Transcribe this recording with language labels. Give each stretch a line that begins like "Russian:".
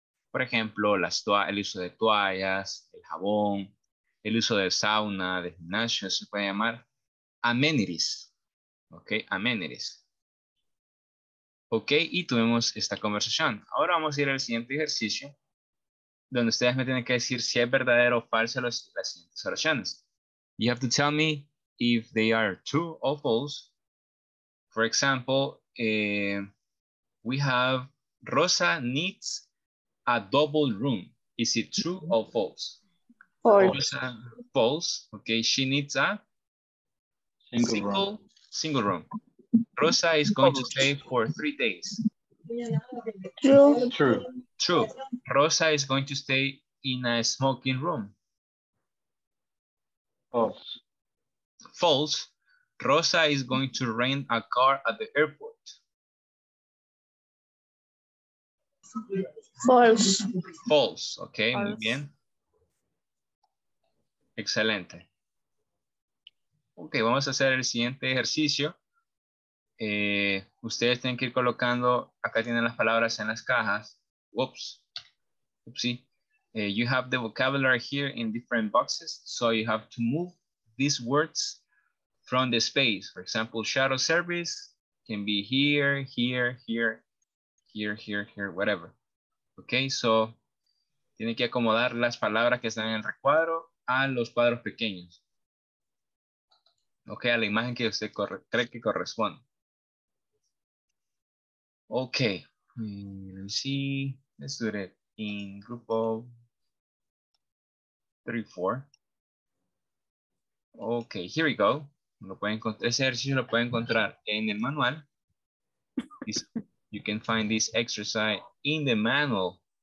Spanish: Por ejemplo, el uso de toallas, el jabón, el uso de sauna, de gimnasio, se puede llamar amenities. Ok, amenities. Ok, y tuvimos esta conversación. Ahora vamos a ir al siguiente ejercicio, donde ustedes me tienen que decir si es verdadero o falso las siguientes oraciones.
English: You have to tell me if they are true or false. For example, we have Rosa needs a double room. Is it true or false? False. False. Okay, she needs a single room. Rosa is going to stay for 3 days. True. True. True. Rosa is going to stay in a smoking room. False. False. Rosa is going to rent a car at the airport. False. False. Okay, false.
Spanish: Muy bien. Excelente. Okay, vamos a hacer el siguiente ejercicio. Ustedes tienen que ir colocando, acá tienen las palabras en las cajas. Whoops. Oopsie.
English: You have the vocabulary here in different boxes, so you have to move these words from the space. For example, shuttle service can be here, here, here, here, here, here, whatever.
Spanish: Ok, so, tienen que acomodar las palabras que están en el recuadro a los cuadros pequeños. Ok, a la imagen que usted cree que corresponde.
English: Ok, let's see, let's do it in group of 3-4. Ok, here we go.
Spanish: Ese ejercicio lo pueden encontrar en el manual.
English: You can find this exercise in the manual.